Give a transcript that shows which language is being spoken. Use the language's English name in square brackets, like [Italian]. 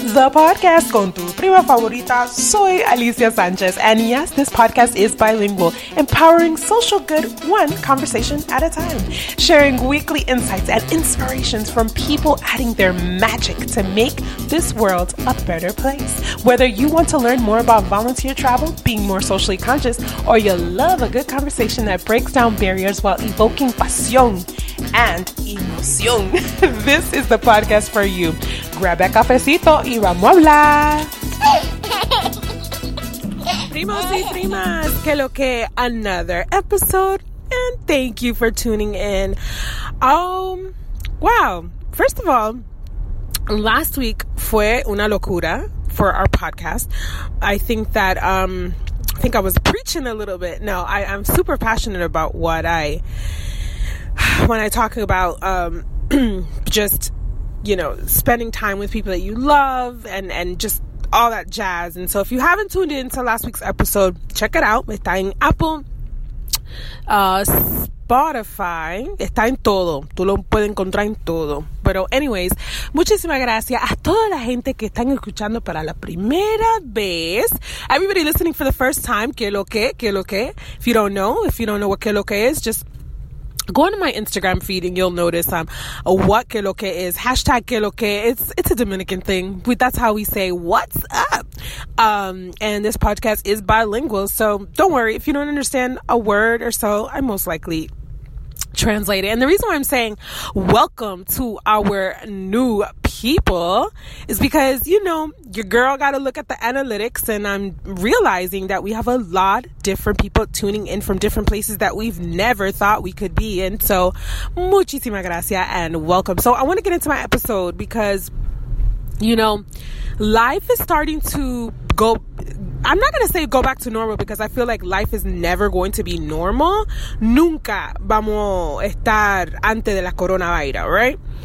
[English] The podcast [Spanish] con tu prima favorita, soy Alicia Sanchez, [English] and yes, this podcast is bilingual, empowering social good one conversation at a time, sharing weekly insights and inspirations from people adding their magic to make this world a better place. Whether you want to learn more about volunteer travel, being more socially conscious, or you love a good conversation that breaks down barriers while evoking pasión and emoción, this is the podcast for you. Grab a cafecito [Spanish] y vamos a hablar. Primos y primas, que lo que, [English] another episode, and thank you for tuning in. Wow, first of all, last week [Spanish] fue una locura [English] for our podcast. I think I was preaching a little bit. No, I'm super passionate about what I, when I talk about just, you know, spending time with people that you love and just all that jazz. And so if you haven't tuned in to last week's episode, check it out. [Spanish] Está en Apple, Spotify, está en todo. Tú lo puedes encontrar en todo. Pero anyways, muchísimas gracias a toda la gente que están escuchando para la primera vez. [English] Everybody listening for the first time, [Spanish] que lo que. [English] If you don't know what que lo que is, just go on my Instagram feed and you'll notice what que lo que is. Hashtag [Spanish] que lo que. [English] It's a Dominican thing. That's how we say what's up. And this podcast is bilingual. So don't worry. If you don't understand a word or so, I most likely translate it. And the reason why I'm saying welcome to our new people is because, you know, your girl got to look at the analytics, and I'm realizing that we have a lot of different people tuning in from different places that we've never thought we could be in. So [Spanish] muchísimas gracias [English] and welcome. So I want to get into my episode because, you know, life is starting to go, I'm not going to say go back to normal, because I feel like life is never going to be normal. [Spanish] Nunca vamos a estar antes de la coronavirus, right?